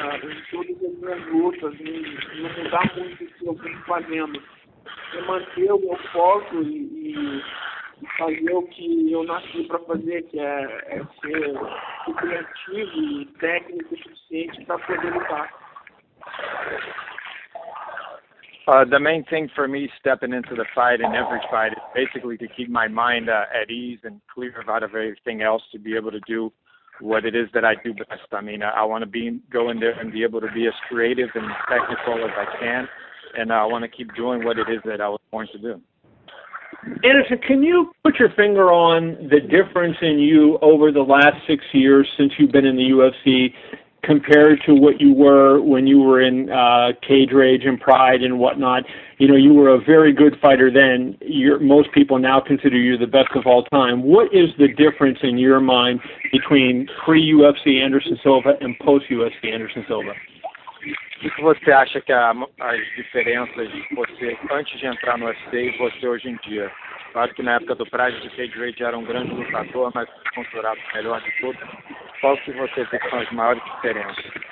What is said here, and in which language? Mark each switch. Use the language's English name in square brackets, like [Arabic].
[Portuguese] Em todas as minhas lutas, não mudar muito o que eu venho fazendo. É manter o meu foco e fazer o que eu nasci para fazer, que é ser criativo e técnico o suficiente para poder lutar. [English] The main thing for me stepping into the fight and every fight is basically to keep my mind at ease and clear out of everything else to be able to do what it is that I do best. I mean, I want to go in there and be able to be as creative and technical as I can, and I want to keep doing what it is that I was born to do. Well, Anderson, can you put your finger on the difference in you over the last 6 years since you've been in the UFC compared to what you were when you were in Cage Rage and Pride and whatnot? You know, you were a very good fighter then. Most people now consider you the best of all time. What is the difference in your mind between pre-UFC Anderson Silva and post-UFC Anderson Silva? [Portuguese] O que você acha que as diferenças de você antes de entrar no UFC e você hoje em dia? Claro que na época do Pride, o Cage Rage era um grande lutador, mas considerado o melhor de todos. Qual que você vê que são as maiores diferenças?